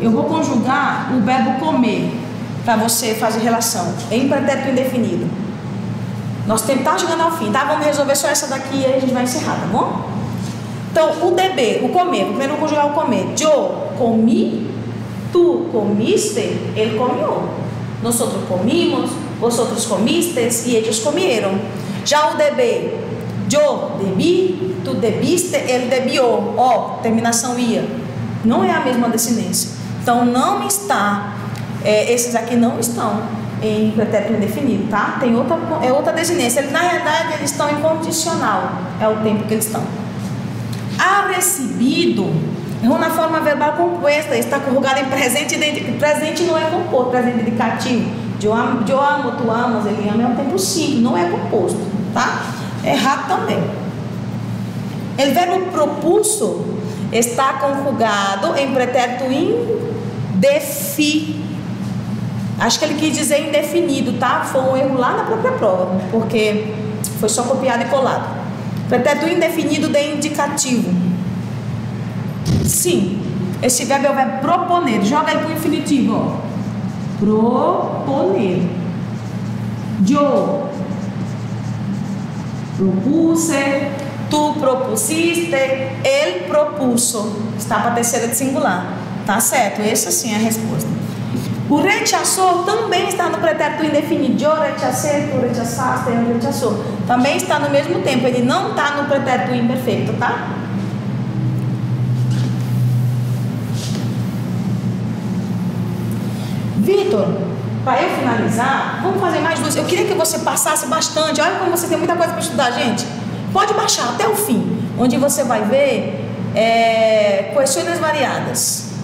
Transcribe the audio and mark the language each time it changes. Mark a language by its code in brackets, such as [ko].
[pt] Eu vou conjugar o verbo comer para você fazer relação em pretérito indefinido. Nosso tempo está chegando ao fim, tá? Vamos resolver só essa daqui e aí a gente vai encerrar, tá bom? Então, o deve, o comer. Primeiro vou conjugar o comer. [es] Yo comi, tu comiste, él comió. Nosotros comimos, vosotros comisteis e ellos comieron. [pt] Já o deve. [es] Yo debí, tú debiste, él debió. [pt] Ó, terminação ia. Não é a mesma desinência. Então, não está, esses aqui não estão em pretérito indefinido, tá? Tem outra, é outra desinência. Na realidade, eles estão em condicional, é o tempo que eles estão. Ha recibido, é uma forma verbal composta, está conjugada em presente, presente não é composto, presente indicativo. [es] Yo amo, tu amas, [pt] ele ama, é um tempo simples, não é composto, tá? Errado também. O verbo propulso está conjugado em pretérito indefinido. Acho que ele quis dizer indefinido, tá? Foi um erro lá na própria prova, porque foi só copiado e colado. Pretérito indefinido de indicativo. Sim. Esse verbo é o verbo proponer. Joga ele para o infinitivo. Proponer. [es] Yo propuse, tu propusiste, él propuso. [pt] Está para a terceira de singular. Tá certo? Essa sim é a resposta. O rechazou também está no pretérito indefinido. [es] Yo rechacé, tu rechazaste, él rechazó. [pt] Também está no mesmo tempo. Ele não está no pretérito imperfeito, tá? Vitor, para eu finalizar, vamos fazer mais duas. Eu queria que você passasse bastante. Olha como você tem muita coisa para estudar, gente. Pode baixar até o fim, onde você vai ver questões variadas.